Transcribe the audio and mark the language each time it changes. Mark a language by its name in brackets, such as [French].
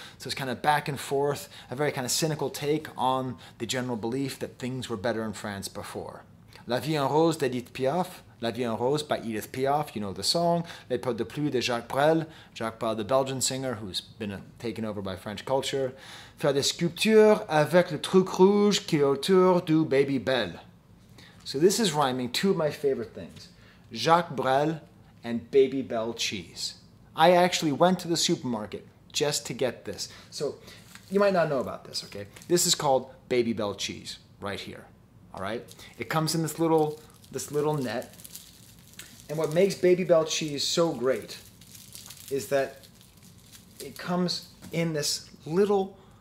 [English] So it's kind of back and forth, a very kind of cynical take on the general belief that things were better in France before. La Vie en Rose d'Edith Piaf, La Vie en Rose by Edith Piaf, you know the song. Les Peaux de Pluie de Jacques Brel, Jacques Brel, the Belgian singer who's been taken over by French culture. [French] Faire des sculptures avec le truc rouge qui est autour du baby Belle. [English] So this is rhyming two of my favorite things, Jacques Brel and baby Belle cheese. I actually went to the supermarket just to get this. So you might not know about this, okay? This is called baby Belle cheese right here. All right. It comes in this little net. And what makes baby Belle cheese so great is that it comes in this little